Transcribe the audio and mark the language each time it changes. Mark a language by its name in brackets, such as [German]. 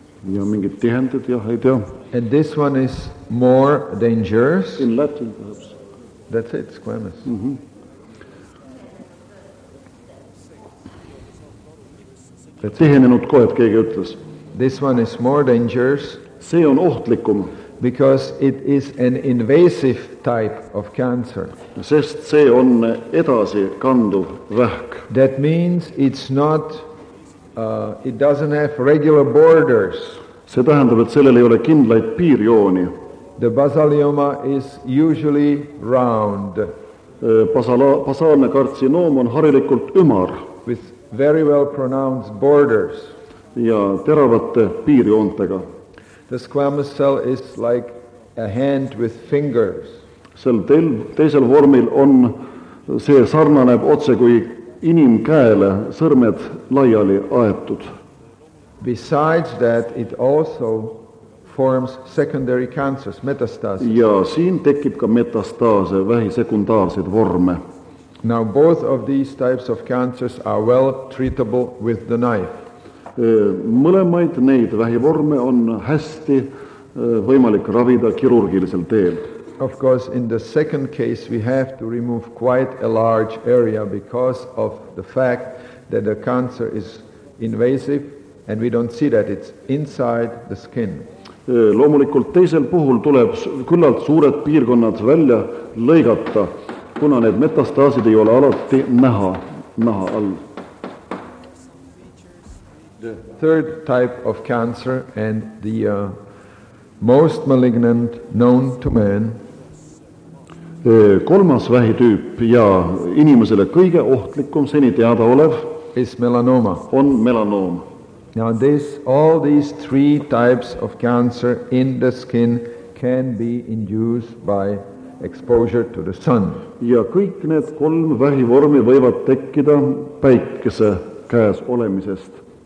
[Estonian] Ja mingid tihendid, jah, ei tea. [English] And this one is more dangerous. In Latin, perhaps. That's it, squamous. Mm-hmm. That's [Estonian] tihenenud kohed, keegi ütles. [English] This one is more dangerous. [Estonian] See on ohtlikum. [English] Because it is an invasive type of cancer. [Estonian] Sest see on edasi kanduv vähk. [English] That means it's not, it doesn't have regular borders. [Estonian] See tähendab, et sellel ei ole kindlaid piirjooni. [English] The basalioma is usually round. [Estonian] Basaalne kartsinoom on harilikult ümar. [English] With very well pronounced borders. [Estonian] Ja teravate piirjoontega. [English] The squamous cell is like a hand with fingers. [Estonian] Sel teisel vormil on see sarnaneb otse kui inimkäele sõrmed laiali aetud. [English] Besides that it also forms secondary cancers, metastases. [Estonian] Ja siin tekib ka metastaase, vähisekundaarsed vorme. [English] Now both of these types of cancers are well treatable with the knife. [Estonian] Mõlemaid neid vähivorme on hästi võimalik ravida kirurgilisel teel. [English] Of course, in the second case we have to remove quite a large area because of the fact that the cancer is invasive and we don't see that it's inside the skin. [Estonian] Loomulikult teisel puhul tuleb küllalt suured piirkonnad välja lõigata, kuna need metastaasid ei ole alati naha all. [English] The third type of cancer and the most malignant known to man. [Estonian] Kolmas vähitüüp ja inimesele kõige ohtlikum seni teada olev [English] is melanoma. [Estonian] On melanoom. [English] Now this, all these three types of cancer in the skin can be induced by exposure to the sun. [Estonian] Ja kõik need kolm vähivormi võivad tekkida päikese käes olemisest.